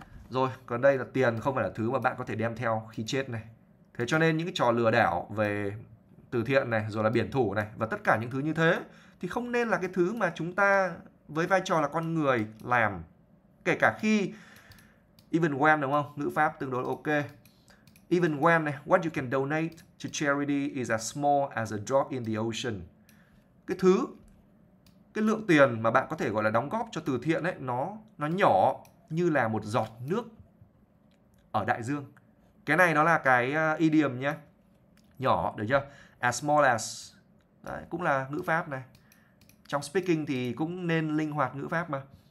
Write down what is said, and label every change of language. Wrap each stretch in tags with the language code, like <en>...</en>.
<vi>Rồi, còn đây là tiền, không phải là thứ mà bạn có thể đem theo khi chết này. Thế cho nên những cái trò lừa đảo về từ thiện này, rồi là biển thủ này, và tất cả những thứ như thế thì không nên là cái thứ mà chúng ta với vai trò là con người làm. Kể cả khi</vi> <en>even when,</en> <vi>đúng không? Ngữ pháp tương đối ok.</vi> <en>Even when này, what you can donate to charity is as small as a drop in the ocean.</en> <vi>Cái lượng tiền mà bạn có thể gọi là đóng góp cho từ thiện ấy, nó nhỏ như là một giọt nước ở đại dương. Cái này nó là cái idiom nhé. Nhỏ, được chưa?</vi> <en>As small as.</en> <vi>Đấy, cũng là ngữ pháp này. Trong speaking thì cũng nên linh hoạt ngữ pháp mà.</vi>